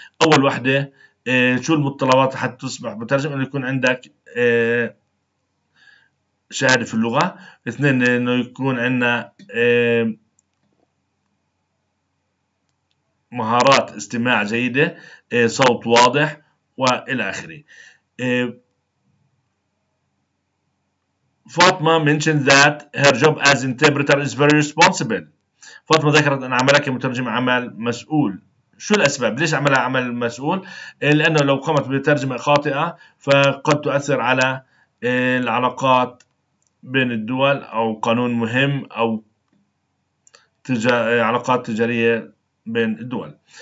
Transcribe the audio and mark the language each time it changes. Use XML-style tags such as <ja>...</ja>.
<ar>أول واحدة شو المتطلبات حتى تصبح مترجم؟ إنه يكون عندك شهادة في اللغة. اثنين إنه يكون عندنا مهارات استماع جيدة، صوت واضح وإلى آخره.</ar> <en>Fatima mentioned that her job as interpreter is very responsible.</en> <ar>Fatima ذكرت أن عملها كمترجمة عمل مسؤول. شو الأسباب؟ ليش عملها عمل مسؤول؟ لأنه لو قامت بترجمة خاطئة فقد تؤثر على العلاقات بين الدول أو قانون مهم أو علاقات تجارية بين الدول.</ar>